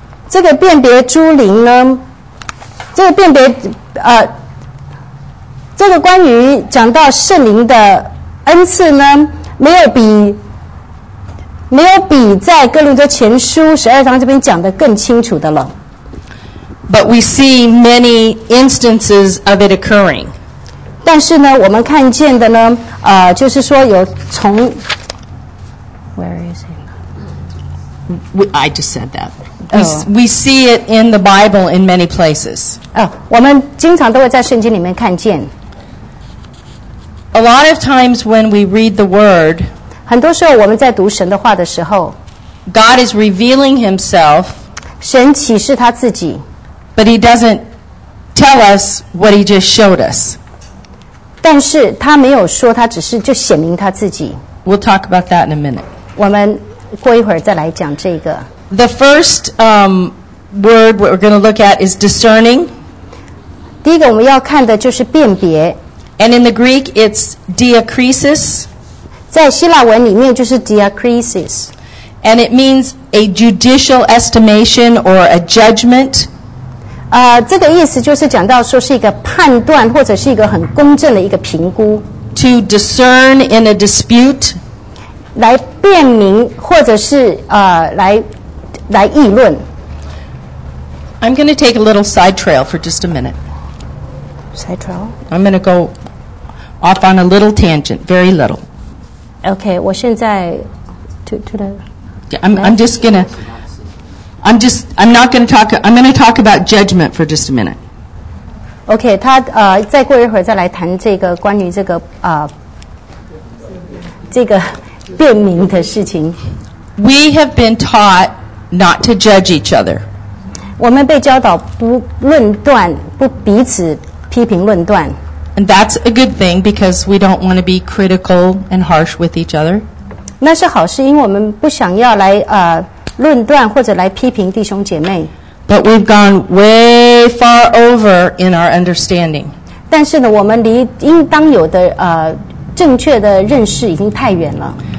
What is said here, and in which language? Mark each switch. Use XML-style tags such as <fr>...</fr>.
<zh>这个辨别诸灵呢，这个辨别这个关于讲到圣灵的恩赐呢，没有比在哥林多前书十二章这边讲的更清楚的了。</zh> <en>But we see many instances of it occurring.</en> <zh>但是呢，我们看见的呢，就是说有从</zh> <en>Where is it? I just said that. We see it in the Bible in many places.</en> <zh>我们经常都会在圣经里面看见。</zh> <en>A lot of times when we read the Word,</en> <zh>很多时候我们在读神的话的时候，</zh> <en>God is revealing Himself.</en> <zh>神启示他自己。</zh> <en>But he doesn't tell us what he just showed us.</en> <zh>但是他没有说，他只是就显明他自己。</zh> <en>We'll talk about that in a minute.</en> <zh>我们过一会儿再来讲这个。</zh> <en>The first word we're going to look at is discerning.</en> <zh>第一个我们要看的就是辨别。</zh> <en>And in the Greek, it's diakrisis.</en> <zh>在希腊文里面就是 diakrisis.</zh> <en>And it means a judicial estimation or a judgment.</en> <zh>这个意思就是讲到说是一个判断或者是一个很公正的一个评估。</zh> <en>To discern in a dispute.</en> <zh>来辨明或者是、来议论。</zh> <en>I'm going to take a little side trail for just a minute. Side trail? I'm going to go off on a little tangent, very little. Okay,</en> <zh>我现在</zh> <en>to the... Yeah, I'm just going to... I'm going to talk about judgment for just a minute.</en> <zh>Okay, 他、再过一会儿再来谈这个关于这个、这个辨明的事情。</zh> <en>We have been taught not to judge each other.</en> <zh>我们被教导不论断，不彼此批评论断。</zh> <en>And that's a good thing because we don't want to be critical and harsh with each other.</en> <zh>那是好事，因为我们不想要来、论断或者来批评弟兄姐妹。</zh> <en>But we've gone way far over in our understanding.</en> <zh>但是呢，我们离应当有的、正确的认识已经太远了。</zh>